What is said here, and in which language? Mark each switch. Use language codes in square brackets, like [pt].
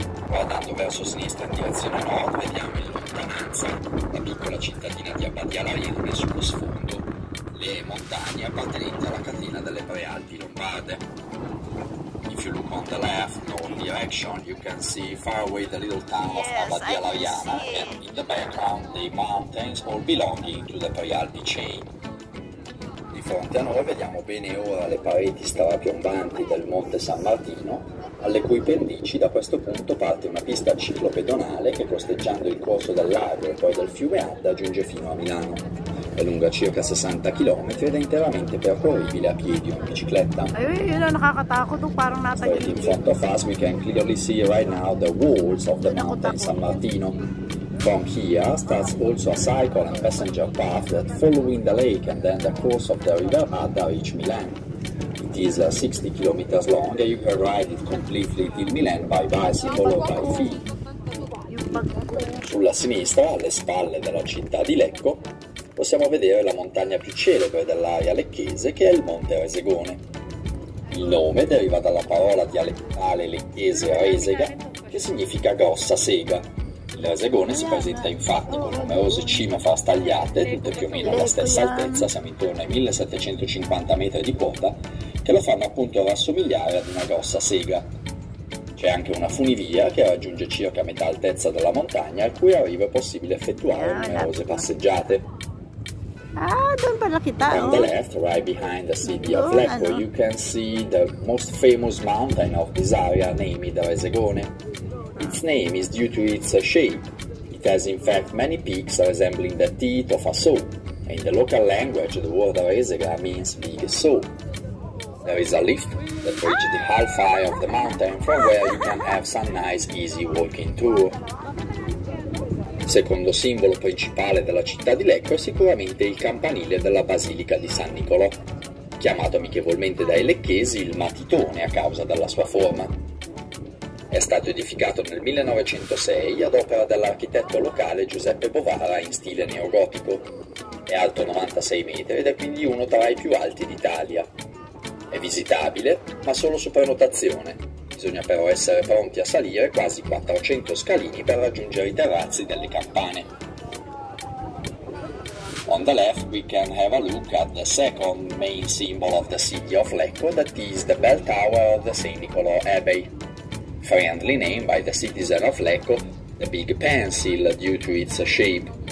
[it] Guardando verso sinistra in direzione nord, vediamo in lontananza la piccola cittadina di Abbadia Larenne sullo sfondo, le montagne appartenenti alla catena delle Prealpi Lombarde. [en] If you look on the left, north direction, you can see far away the little town of Abbadia Lariana, and in the background, the mountains all belonging to the Prealpi chain. [it] Di fronte a noi vediamo bene ora le pareti strapiombanti del Monte San Martino, alle cui pendici da questo punto parte una pista ciclopedonale che, costeggiando il corso del lago e poi del fiume Adda, giunge fino a Milano. È lunga circa 60 km ed è interamente percorribile a piedi o in bicicletta. [en] Straight in front of us we can clearly see right now the walls of the mountain San Martino. From here starts also a cycle and passenger path that following the lake and then the course of the river Adda reach Milan. It is 60 km long and you can ride it completely till Milan by bicycle or by feet. [it] Sulla sinistra, alle spalle della città di Lecco, possiamo vedere la montagna più celebre dell'area lecchese, che è il Monte Resegone. Il nome deriva dalla parola dialettale lettese resega, che significa grossa sega. Il resegone si presenta infatti con numerose cime frastagliate, tutte più o meno alla stessa altezza, siamo intorno ai 1750 metri di quota, che lo fanno appunto rassomigliare ad una grossa sega. C'è anche una funivia che raggiunge circa metà altezza della montagna, a cui arriva possibile effettuare numerose passeggiate. [en] On the left, right behind the city of Lecco, you can see the most famous mountain of this area, named Resegone. Its name is due to its shape. It has in fact many peaks resembling the teeth of a saw, and in the local language the word Resega means big saw. There is a lift that reaches the half high of the mountain from where you can have some nice easy walking tour. [it] Il secondo simbolo principale della città di Lecco è sicuramente il campanile della Basilica di San Nicolò, chiamato amichevolmente dai lecchesi il matitone a causa della sua forma. È stato edificato nel 1906 ad opera dell'architetto locale Giuseppe Bovara in stile neogotico. È alto 96 metri ed è quindi uno tra i più alti d'Italia. È visitabile, ma solo su prenotazione. Bisogna però essere pronti a salire quasi 400 scalini per raggiungere i terrazzi delle campane. [en] On the left we can have a look at the second main symbol of the city of Lecco, that is the bell tower of the St. Nicolò Abbey. Friendly named by the citizen of Lecco, the big pencil due to its shape.